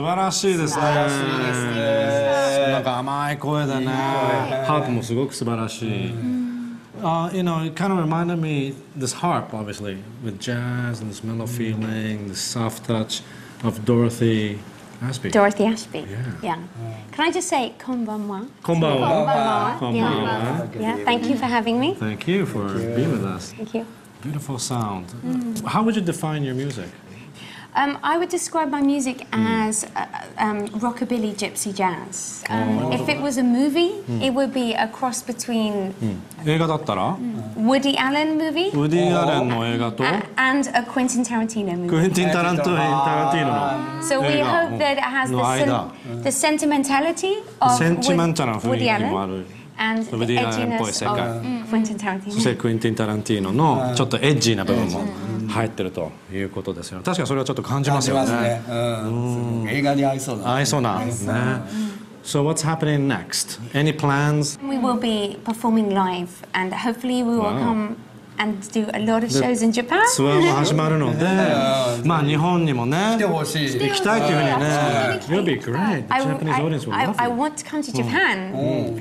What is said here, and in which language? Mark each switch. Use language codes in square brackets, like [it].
[ja] しいですね、なんか甘い声だね、ハープもすごく素晴らしい。 [en] You know, it kind of reminded me this harp, obviously, with jazz and this mellow feeling, the soft touch of Dorothy Ashby. Dorothy Ashby. Yeah. Can I just say, konbanwa? Konbanwa. Konbanwa. Yeah. Thank you for having me. Thank you for being with us. Thank you. Beautiful sound. How would you define your music? I would describe my music as rockabilly gypsy jazz. If it was a movie, it would be a cross between... [ja] 映画だったら? [en] Woody Allen movie. [ja] Woody Allen の映画と? [en] And a Quentin Tarantino movie. Quentin Tarantino. So we hope that it has the sentimentality of sentimental Woody Allen. And the edginess of Quentin Tarantino. [ja] そしてクインティン・タランティーノのちょっとエッジな部分も入ってるということですよ。確かにそれはちょっと感じますよね。感じますね。映画に合いそうな。合いそうな。 [en] So what's happening next? Any plans? We will be performing live and hopefully we will come and do a lot of shows in Japan. [ja] ツアーも始まるので、まあ日本にもね、来てほしい。行きたいというふうにね。 [en] You'll be great. The Japanese audience will love you. I want to come to Japan.